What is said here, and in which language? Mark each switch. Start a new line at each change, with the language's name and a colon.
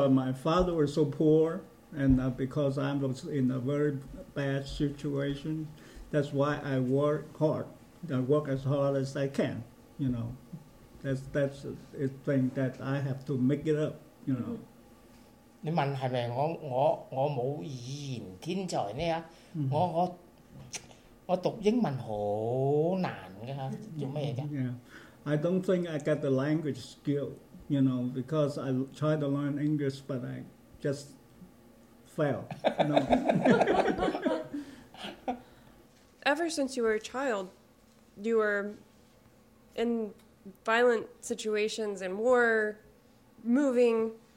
English: my father was so poor, and because I was in a very bad situation, that's why I work hard. I work as hard as I can, you know. That's a thing that I have to make it up, you know.
Cantonese: 你問係咪我冇語言天才呢啊？ Mm-hmm. 我讀英文好難㗎，做咩嘅？
English: Yeah. I don't think I got the language skill, you know, because I tried to learn English, but I just failed. No. Ever since you were a child, you were in violent situations and war, moving.